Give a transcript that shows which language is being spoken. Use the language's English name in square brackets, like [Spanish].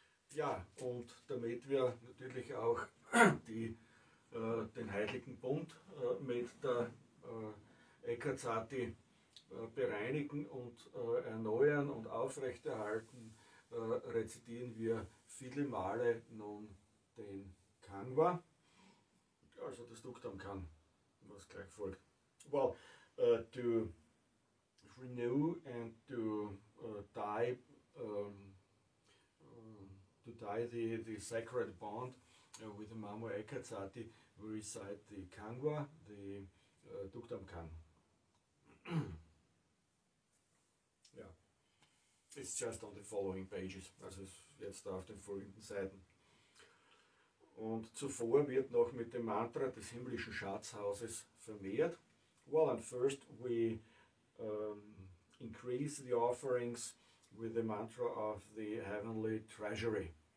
[German] Ja, und damit wir natürlich auch die, den heiligen Bund mit der Eckhart-Sati bereinigen und erneuern und aufrechterhalten, rezitieren wir viele Male nun den Kanva, also das Duktam Kan, was gleich folgt. [English] Well, to renew and to die, to tie the sacred bond with the Mamo Eckhart Sati, we recite the Kangwa, the Duktam Kan. Yeah, it's just on the following pages, [German] also jetzt auf den folgenden Seiten. Und zuvor wird noch mit dem Mantra des himmlischen Schatzhauses vermehrt. [English] Well, and first we increase the offerings with the mantra of the heavenly treasury.